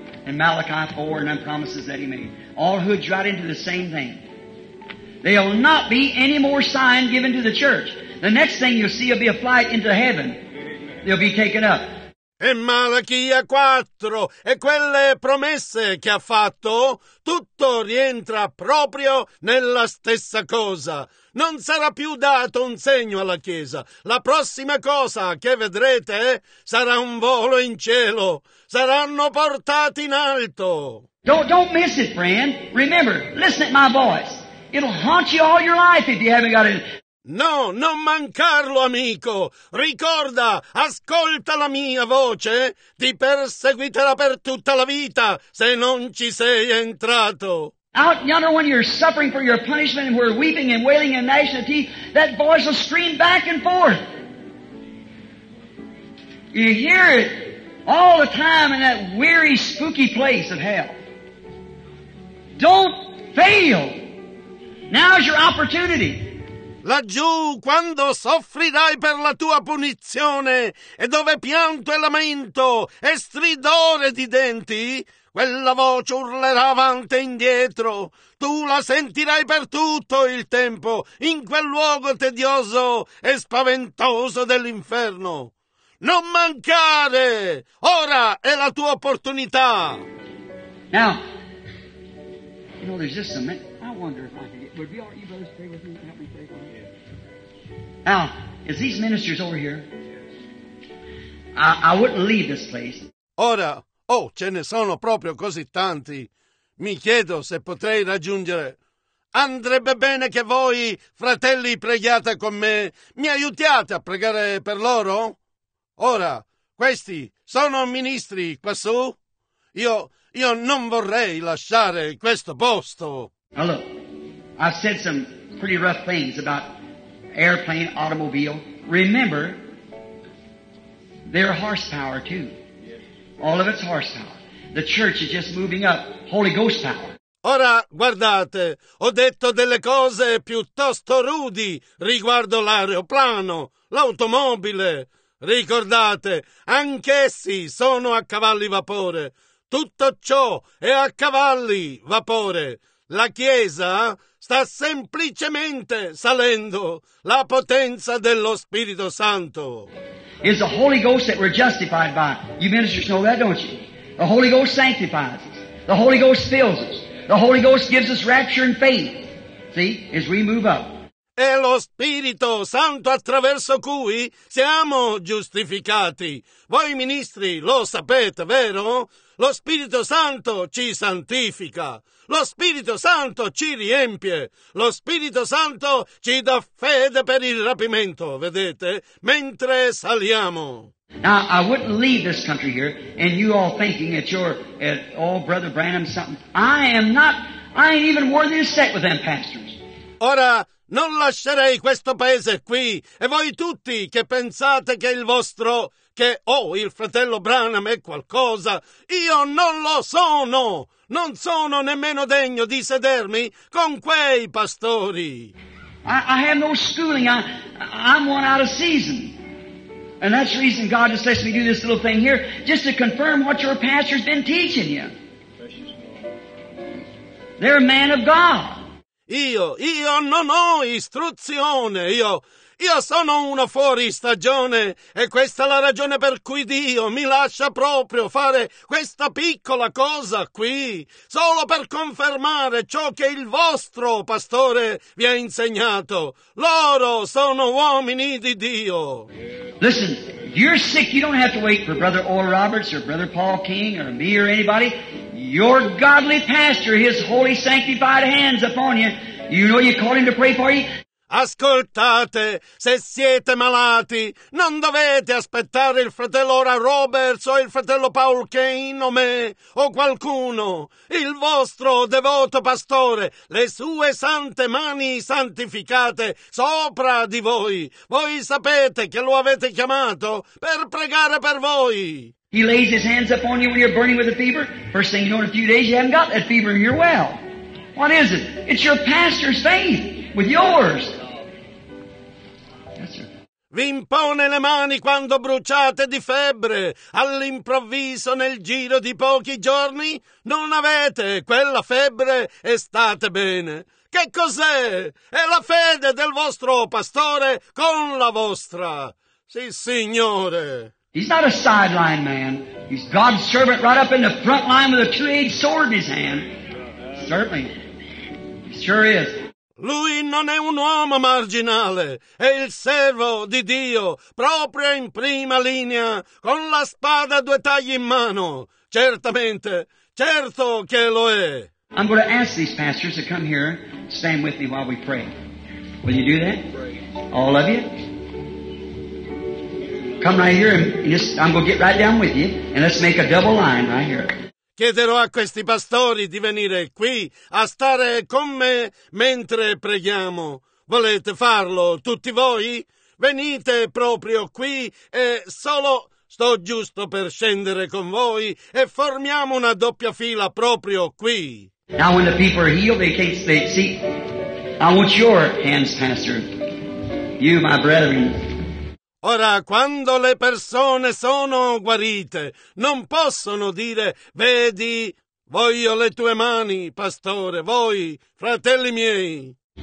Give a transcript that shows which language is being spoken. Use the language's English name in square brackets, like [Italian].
[English] In Malachi 4 and the promises that he made. All hoods right into the same thing. There will not be any more sign given to the church. The next thing you'll see will be a flight into heaven. They'll be taken up. [Italian] In Malachia 4 e quelle promesse che ha fatto, tutto rientra proprio nella stessa cosa. Non sarà più dato un segno alla Chiesa. La prossima cosa che vedrete sarà un volo in cielo. Saranno portati in alto. [English] Don't miss it, friend. Remember, listen at my voice. It'll haunt you all your life if you haven't got it. [Italian] No, non mancarlo, amico. Ricorda, ascolta la mia voce. Ti perseguiterà per tutta la vita se non ci sei entrato. [English] Out yonder when you're suffering for your punishment and we're weeping and wailing and gnashing of teeth, that voice will scream back and forth. You hear it all the time in that weary, spooky place of hell. Don't fail. Now's your opportunity. [Italian] Laggiù, quando soffrirai per la tua punizione, e dove pianto e lamento e stridore di denti, quella voce urlerà avanti e indietro. Tu la sentirai per tutto il tempo, in quel luogo tedioso e spaventoso dell'inferno. Non mancare! Ora è la tua opportunità! [English] Now, you know, there's just a minute. I wonder if I can get... Would be all you brothers pray with me and help me pray for you? Now, as these ministers over here, I wouldn't leave this place. [Italian] Ora, oh, ce ne sono proprio così tanti. Mi chiedo se potrei raggiungere. Andrebbe bene che voi, fratelli, pregiate con me. Mi aiutiate a pregare per loro? Ora, Questi sono ministri quassù? Io non vorrei lasciare questo posto. [English] Now look, I've said some pretty rough things about airplane, automobile. Remember, they're horsepower too. All of it's horsepower. The church is just moving up, Holy Ghost power. [Italian] Ora, guardate, ho detto delle cose piuttosto rudi riguardo l'aeroplano, l'automobile. Ricordate, anch'essi sono a cavalli vapore. Tutto ciò è a cavalli vapore. La Chiesa sta semplicemente salendo la potenza dello Spirito Santo. [English] It's the Holy Ghost that we're justified by. You ministers know that, don't you? The Holy Ghost sanctifies us. The Holy Ghost fills us. The Holy Ghost gives us rapture and faith. See, as we move up. [Italian] È lo Spirito Santo attraverso cui siamo giustificati. Voi ministri lo sapete, vero? Lo Spirito Santo ci santifica. Lo Spirito Santo ci riempie. Lo Spirito Santo ci dà fede per il rapimento, vedete? Mentre saliamo. [English] Now, I wouldn't leave this country here and you all thinking that you're at all Brother Branham something. I ain't even worthy to sit with them pastors. [Italian] Ora, non lascerei questo paese qui e voi tutti che pensate che il vostro, che il fratello Branham è qualcosa, io non lo sono! Non sono nemmeno degno di sedermi con quei pastori! [English] I have no schooling, I'm one out of season. And that's the reason God just lets me do this little thing here, just to confirm what your pastor's been teaching you. They're a man of God. [Italian] Io non ho istruzione, io sono uno fuori stagione e questa è la ragione per cui Dio mi lascia proprio fare questa piccola cosa qui, solo per confermare ciò che il vostro pastore vi ha insegnato. Loro sono uomini di Dio. [English] Listen, you're sick, you don't have to wait for Brother Oral Roberts or Brother Paul King or me or anybody. Your godly pastor, his holy sanctified hands upon you. You know you called him to pray for you? [Italian] Ascoltate, se siete malati, non dovete aspettare il fratello Oral Roberts o il fratello Paul Kane o me o qualcuno. Il vostro devoto pastore, le sue sante mani santificate sopra di voi. Voi sapete che lo avete chiamato per pregare per voi. [English] He lays his hands upon you when you're burning with a fever. First thing you know, in a few days you haven't got that fever and you're well. What is it? It's your pastor's faith with yours. [Italian] Vi impone le mani quando bruciate di febbre. All'improvviso, nel giro di pochi giorni, non avete quella febbre e state bene. Che cos'è? È la fede del vostro pastore con la vostra. Sì, Signore. [English] He's not a sideline man. He's God's servant right up in the front line with a two-edged sword in his hand. Certainly. He sure is. [Italian] Lui non è un uomo marginale, è il servo di Dio, proprio in prima linea, con la spada a due tagli in mano. Certamente, certo che lo è. [English] I'm going to ask these pastors to come here, stand with me while we pray. Will you do that? All of you? Come right here, and just, I'm going to get right down with you, and let's make a double line right here. [Italian] Chiederò a questi pastori di venire qui a stare con me mentre preghiamo. Volete farlo tutti voi? Venite proprio qui e solo sto giusto per scendere con voi e formiamo una doppia fila proprio qui. [English] Now when the people are healed, they can't stay. See, I want your hands, Pastor. You, my brethren. [Italian] Ora, quando le persone sono guarite, non possono dire, vedi, voglio le tue mani, pastore, voi, fratelli miei.